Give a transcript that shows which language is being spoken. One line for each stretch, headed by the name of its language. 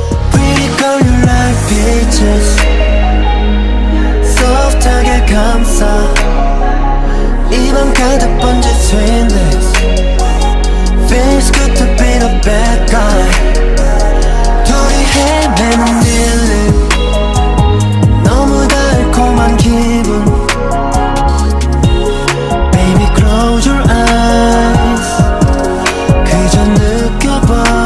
English: Pretty girl, you like peaches.
Korean: Soft 하게 감싸 입안 가득 번진 sweetness.
English: Feels good to be the bad guy.
Korean: 둘이 헤매는 빌림 너무 달콤한 기분.
English: Baby close your eyes.
Korean: 그저 느껴봐.